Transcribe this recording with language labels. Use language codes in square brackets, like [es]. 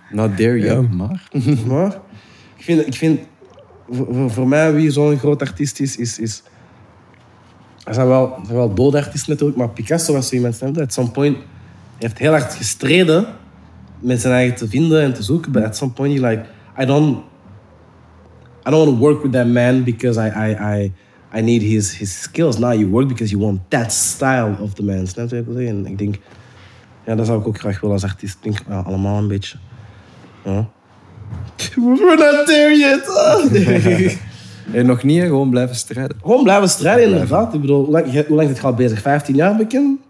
[en] not there yet, [nl] maar. Maar, ik vind voor mij wie zo'n groot artiest is er zijn wel dode artiesten natuurlijk, maar Picasso was zo iemand, snap je? [en] At some point, [nl] hij heeft heel hard gestreden met zijn eigen te vinden en te zoeken. [en] But at some point, you're like, I don't want to work with that man because I need his skills. Now you work because you want that style of the man. [nl] Snap je wat ik bedoel? En ik denk, ja, dat zou ik ook graag willen als artiest. Ik denk, allemaal een beetje. Huh? [en] We're not there yet. [nl] En nog niet, gewoon blijven strijden. Gewoon blijven strijden, inderdaad. Ik bedoel, hoe lang is het al bezig? 15 jaar bekend?